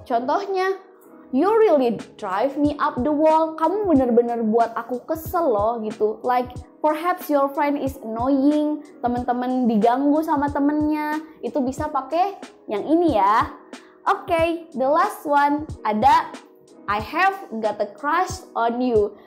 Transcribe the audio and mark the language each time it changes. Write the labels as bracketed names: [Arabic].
[Indonesian] Contohnya, [English] you really drive me up the wall. [Indonesian] Kamu benar-benar buat aku kesel loh gitu. [English] Like perhaps your friend is annoying, [Indonesian] teman-teman diganggu sama temennya. Itu bisa pakai yang ini ya. Oke, [English] the last one ada I have got a crush on you.